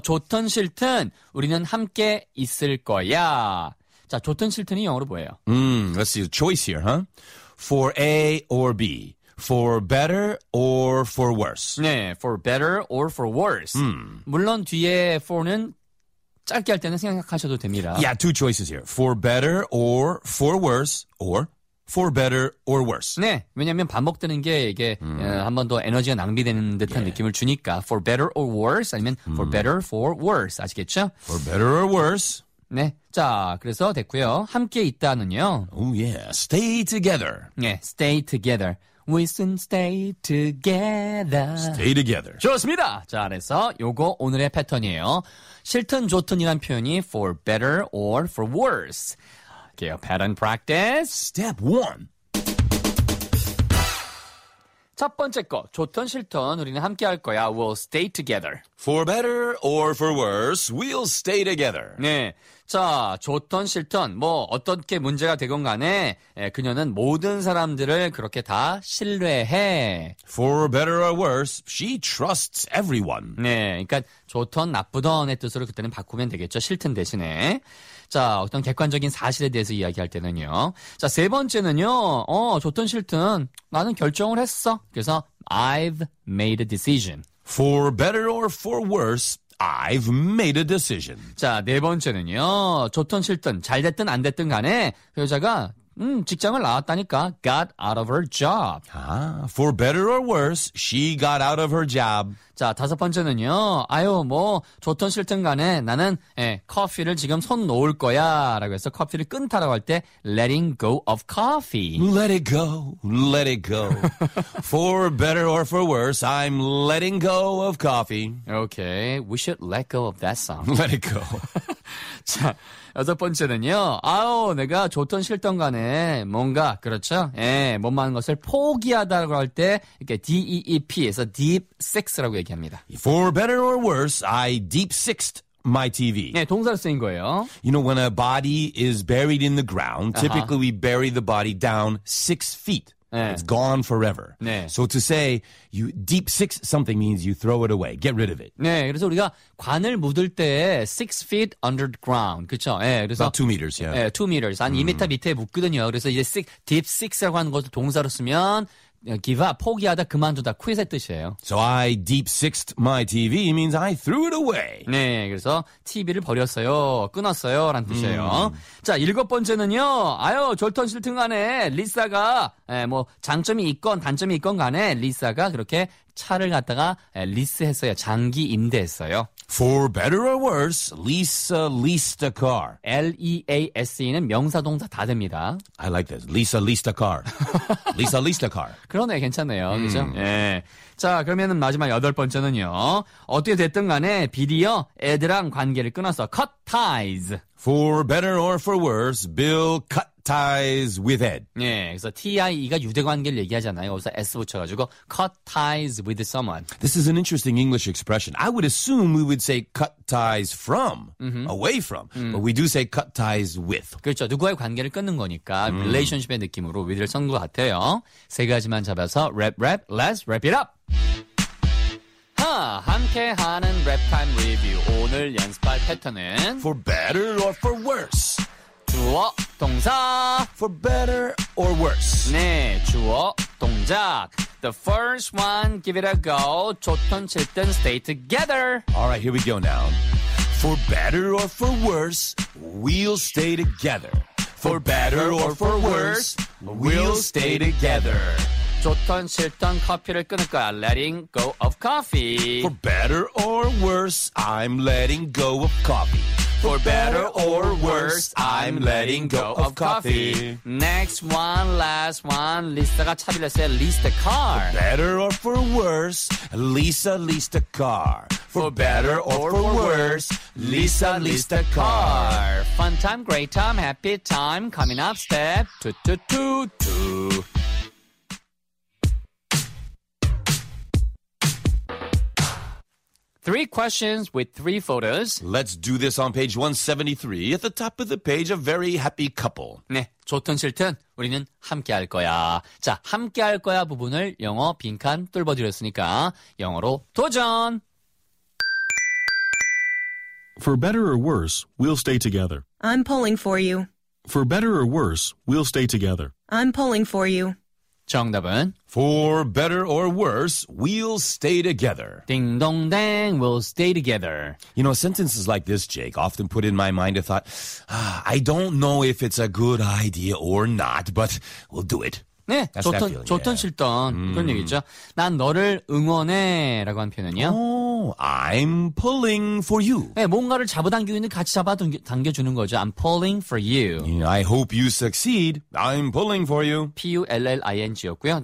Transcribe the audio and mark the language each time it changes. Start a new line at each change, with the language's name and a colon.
Korean: 좋든 싫든 우리는 함께 있을 거야. 자, 좋든 싫든이 영어로 뭐예요?
English: Let's see the choice here, huh? For A or B. For better or for worse. 네, for better or for worse.
Korean: 물론 뒤에 for는 짧게 할 때는 생각하셔도 됩니다.
English: Yeah, two choices here. For better or for worse or for better or worse.
Korean: 네, 왜냐하면 반복되는 게 이게 한 번 더 에너지가 낭비되는 듯한 yeah. 느낌을 주니까
English: for better or worse
Korean: 아니면
English: for better for worse
Korean: 아시겠죠?
English: For better or worse.
Korean: 네, 자 그래서 됐고요. 함께 있다는요.
English: Oh yeah, stay together. 네, stay together. We should stay together. Stay together.
Korean: 좋습니다. 자, 그래서 요거 오늘의 패턴이에요. 싫든 좋든이란 표현이
English: for better or for worse.
Korean: 할게요.
English: Pattern practice. Step 1.
Korean: 첫 번째 거. 좋든 싫든 우리는 함께 할 거야.
English: We'll stay together. For better or for worse, we'll stay together.
Korean: 네. 자, 좋든 싫든 뭐 어떻게 문제가 되건 간에 예, 그녀는 모든 사람들을 그렇게 다 신뢰해.
English: For better or worse, she trusts everyone.
Korean: 네, 그러니까 좋든 나쁘든의 뜻으로 그때는 바꾸면 되겠죠. 싫든 대신에. 자, 어떤 객관적인 사실에 대해서 이야기할 때는요. 자, 세 번째는요. 좋든 싫든 나는 결정을 했어. 그래서
English: I've made a decision. For better or for worse, I've made a decision.
Korean: 자, 네 번째는요. 좋든 싫든, 잘 됐든 안 됐든 간에 그 여자가 직장을 나왔다니까.
English: Got out of her job. 아, for better or worse, she got out of her job.
Korean: 자, 다섯 번째는요. 아유, 뭐 좋든 싫든 간에 나는 예, 커피를 지금 손 놓을 거야 라고 해서 커피를 끊다라고 할 때
English: letting go of coffee. Let it go, let it go. For better or for worse, I'm letting go of coffee. Okay, we should let go of that song. Let it go.
Korean: 자, 여섯 번째는요. 아우, 내가 좋든 싫든 간에 뭔가, 그렇죠? 예, 뭔가 하는 것을 포기하다라고 할 때 이렇게 DEEP에서
English: deep six
Korean: 라고 얘기합니다.
English: For better or worse, I deep-sixed my TV.
Korean: 네, 동사로 쓰인 거예요.
English: You know, when a body is buried in the ground, typically we bury the body down 6 feet. 네. It's gone forever.
Korean: 네.
English: So to say, you deep-six something means you throw it away, get rid of it.
Korean: 네, 그래서 우리가 관을 묻을 때
English: 6 feet underground,
Korean: 그렇죠? 네, 그래서
English: About 2 meters, yeah.
Korean: 네, 2 meters, 한 2m 밑에 묻거든요. 그래서 이제 deep-six라고 하는 것을 동사로 쓰면
English: give up,
Korean: 포기하다, 그만두다, quit의 뜻이에요.
English: So I deep-sixed my TV means I threw it away.
Korean: 네, 그래서 TV를 버렸어요, 끊었어요, 라는 뜻이에요. 자, 일곱 번째는요, 아유, 좋든 싫든 간에 리사가, 예, 뭐, 장점이 있건 단점이 있건 간에 리사가 그렇게 차를 갖다가 예, 리스했어요, 장기 임대했어요.
English: For better or worse, Lisa leased a car.
Korean: L-E-A-S-E는 명사동사 다 됩니다.
English: I like this. Lisa leased a car. Lisa leased a car.
Korean: 그러네, 괜찮네요. 그죠? 예. 자, 그러면은 마지막 여덟 번째는요. 어떻게 됐든 간에 비디어 애드랑 관계를 끊어서
English: cut ties. For better or for worse, Bill cut ties with Ed.
Korean: 네, 그래서 T-I-E가 유대관계를 얘기하잖아요. 여기서 S 붙여가지고
English: cut ties with someone. This is an interesting English expression. I would assume we would say cut ties from, away from. But we do say cut ties with.
Korean: 그렇죠. 누구와의 관계를 끊는 거니까 relationship의 느낌으로 with를 쓴 것 같아요. 세 가지만 잡아서
English: rap rap, let's wrap it up.
Korean: 함께하는 랩타임 리뷰 오늘 연습할 패턴은
English: For better or for worse
Korean: 주어 동사
English: For better or worse
Korean: 네 주어 동작
English: The first one give it a go
Korean: 좋든 싫든
English: stay together Alright here we go now For better or for worse we'll stay together For better or for worse we'll stay together
Korean: 좋든 싫든 커피를 끊을 거야.
English: Letting go of coffee. For better or worse, I'm letting go of coffee. For better or worse, I'm letting go of coffee. Next one, last one.
Korean: Lisa가 차를 냈어요.
English: Leased a car. For better or for worse, Lisa leased a car. For better or for worse, Lisa leased a car. Fun time, great time, happy time. Coming up, step 2, 2, 2, 2. Three questions with three photos. Let's do this on page 173. At the top of the page, a very happy couple.
Korean: 네, 좋든 싫든 우리는 함께 할 거야. 자, 함께 할 거야 부분을 영어 빈칸 뚫어드렸으니까 영어로 도전!
English: For better or worse, we'll stay together. I'm pulling for you. For better or worse, we'll stay together. I'm pulling for you.
Korean: 정답은?
English: For better or worse, we'll stay together. Ding dong dang, we'll stay together. You know, sentences like this, Jake, often put in my mind a thought, I don't know if it's a good idea or not, but we'll do it.
Korean: 네, 좋던 싫던 그런 얘기죠. 난 너를 응원해 라고 한 표현은요.
English: I'm pulling for you.
Korean: 네, 뭔가를 잡아당기고 같이 잡아당겨주는 거죠.
English: I'm pulling for you. I hope you succeed. I'm pulling for you.
Korean: P-U-L-L-I-N-G였고요.